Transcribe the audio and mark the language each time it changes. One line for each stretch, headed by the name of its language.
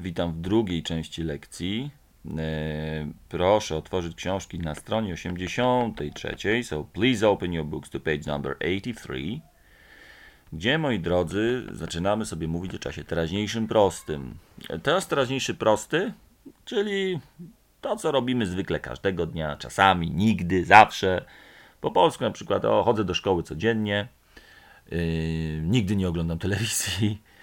Polish: Witam w drugiej części lekcji. Proszę otworzyć książki na stronie 83.
English: So please open your books to page number 83.
Polish: Gdzie, moi drodzy, zaczynamy sobie mówić o czasie teraźniejszym prostym. Czas teraźniejszy prosty, czyli to, co robimy zwykle każdego dnia, czasami, nigdy, zawsze. Po polsku na przykład, o, chodzę do szkoły codziennie, nigdy nie oglądam telewizji.